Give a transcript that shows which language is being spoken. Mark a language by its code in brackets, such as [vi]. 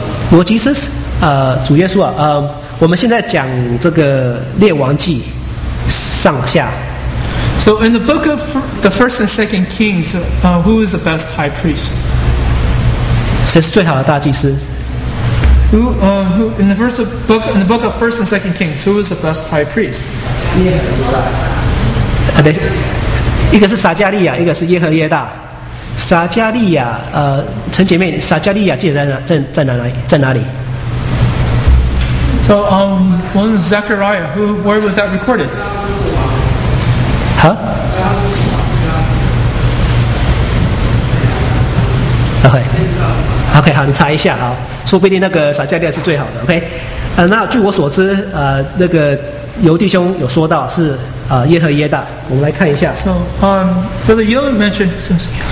[zh] 罗基斯，主耶稣啊，我们现在讲这个列王记上下。 [en] So in the book of the first and second kings, who is the best high priest？ [zh] 谁是最好的大祭司 [en] ？Who in the first book in the book of first and second kings, who is the best high priest？ Yeah. [zh] 一个是撒加利亚，一个是耶和耶大。撒加利亚，陈姐妹，撒加利亚记得在哪里 [en] ？So one is Zechariah. Where was that recorded? Huh? Okay. [zh] 好，你查一下啊，说不定那个撒加利亚是最好的。OK， 那据我所知，那个尤弟兄有说到是。耶和耶大。我们来看一下。 [en] So, Brother Yellen mentioned since.